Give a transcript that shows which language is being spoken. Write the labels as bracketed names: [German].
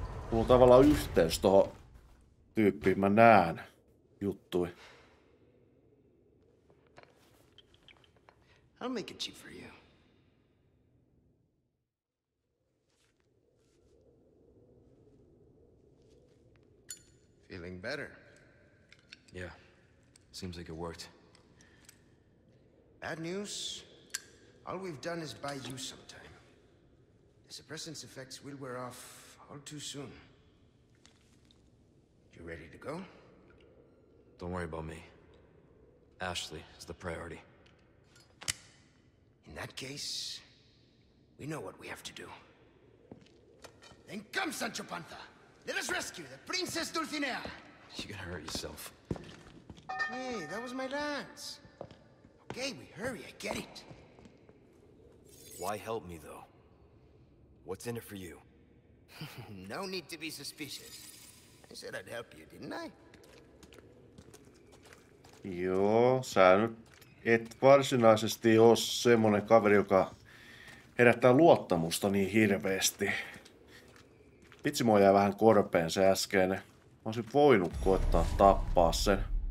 [Finnish] Mulla on tavallaan yhteys tohon tyyppiin, mä nään juttui. [English] I'll make it cheap for you. Feeling better? Yeah. Seems like it worked. Bad news? All we've done is buy you some time. The suppressant's effects will wear off all too soon. You ready to go? Don't worry about me. Ashley is the priority. In that case, we know what we have to do. Then come, Sancho Panza! Let us rescue the Princess Dulcinea! You're gonna hurt yourself. Hey, that was my lance. Okay, we hurry, I get it. Why help me, though? What's in it for you? No need to be suspicious. I said I'd help you, didn't I? [Finnish] Joo, sä nyt et varsinaisesti oo semmonen kaveri, joka herättää luottamusta niin hirveesti. Vitsi, mua jäi vähän korpeen se äsken. Mä olisin voinut koettaa tappaa sen.